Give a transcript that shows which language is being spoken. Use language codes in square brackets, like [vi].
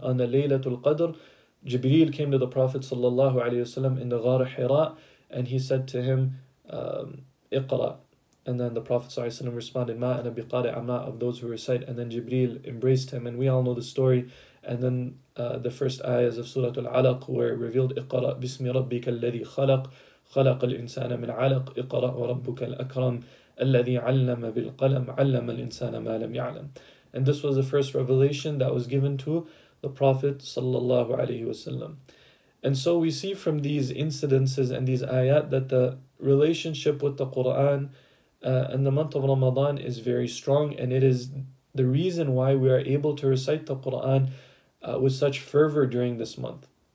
[en] On the Laylatul Qadr, Jibreel came to the Prophet sallallahu alayhi wasallam in the Ghar Hira, and he said to him, Iqra. And then the Prophet sallallahu alayhi wasallam responded, [ar] Ma ana biqari, [en] I'm not of those who recite. And then Jibreel embraced him, and we all know the story. And then the first ayahs of Surah Al-Alaq were revealed, [ar] Iqra bismi rabbika alladhi khalaq. خلق الإنسان من علق اقرأ وربك الأكرم الذي علم بالقلم علم الإنسان ما لم يعلم. [en] And this was the first revelation that was given to the Prophet sallallahu alaihi wasallam. And so we see from these incidences and these ayat that the relationship with the Quran and the month of Ramadan is very strong, and it is the reason why we are able to recite the Quran with such fervor during this month.